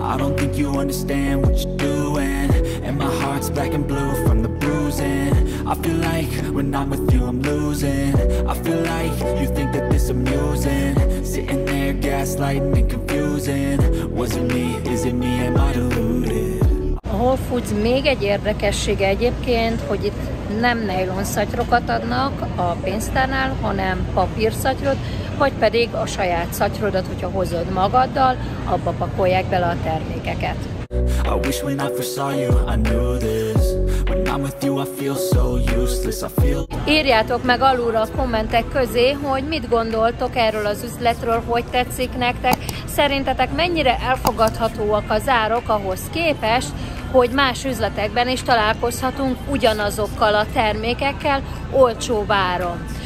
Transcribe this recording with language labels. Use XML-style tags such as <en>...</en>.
<en>I don't think you understand what you're doing. And my heart's black and blue from the bruising. I feel like when I'm with you I'm losing. I feel like you think that this amusing. Sitting there gaslighting and confusing. Was it me? Is it me? Am I deluded?</en> <hu>Whole Foods még egy érdekessége egyébként, hogy itt nem nylon szatyrokat adnak a pénztárnál, hanem papír szatyrot, vagy pedig a saját szatyrodat, hogyha hozod magaddal, abba pakolják bele a termékeket.</hu> <en>I wish when I first saw you, I knew this. When I'm with you, I feel so useless. I feel...</en> <hu>Írjátok meg alulra a kommentek közé, hogy mit gondoltok erről az üzletről, hogy tetszik nektek. Szerintetek mennyire elfogadhatóak az árok ahhoz képest, hogy más üzletekben is találkozhatunk ugyanazokkal a termékekkel olcsó áron.</hu>